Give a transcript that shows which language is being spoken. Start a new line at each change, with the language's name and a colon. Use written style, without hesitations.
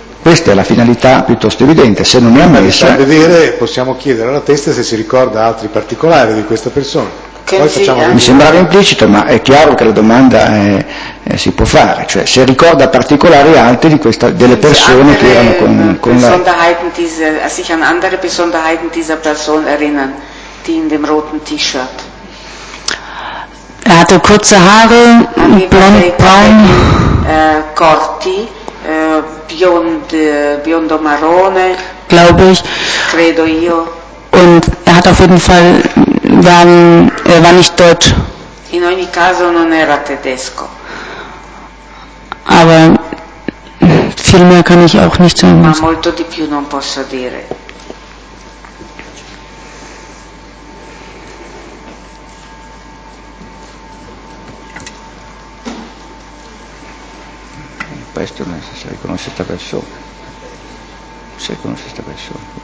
Italian: Questa è la finalità piuttosto evidente, se non è ammessa. Per vedere, possiamo chiedere alla testa se si ricorda altri particolari di questa persona. Mi sembrava implicito, ma è chiaro che la domanda si può fare, cioè se ricorda particolari altri di questa, delle persone che erano con la.
German: Sich an andere Besonderheiten dieser Person erinnern, die in dem roten T-Shirt. Er hatte kurze Haare, blond, braun.
Italian: Corti. Biondo marrone,
German: glaube ich,
Italian: credo io.
German: Und er hat auf jeden Fall war nicht deutsch.
Italian: In ogni caso non era tedesco.
German: Aber viel mehr kann ich auch nicht sagen.
Italian: Ma molto di più non posso dire. Questo non è se riconosce questa persona. Se riconosce questa persona.